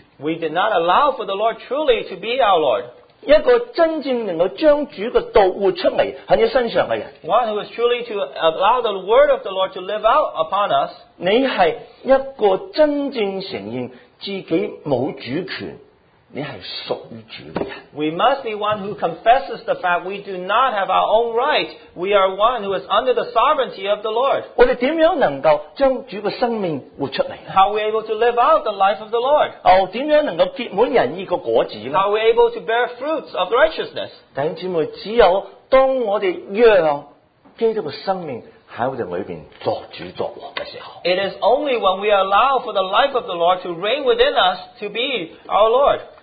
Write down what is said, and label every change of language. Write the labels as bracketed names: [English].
[English] We did not allow for the Lord truly to be our Lord. [Chinese] 一个真正能够将主的道活出来在你身上的人, [English] one who is truly to allow the word of the Lord to live out upon us, [Chinese] 你是一个真正承认自己没有主权, 你是属于主的人。 [English] We must be one who confesses the fact we do not have our own right. We are one who is under the sovereignty of the Lord. [Chinese] 我们怎样能够将主的生命活出来? [English] How are we able to live out the life of the Lord? [Chinese] 怎样能够结满仁义的果子? [English] How are we able to bear fruits of righteousness? [Chinese] 弟兄姊妹, 只有当我们让基督的生命 [English] It is only when we allow for the life of the Lord to reign within us to be our Lord.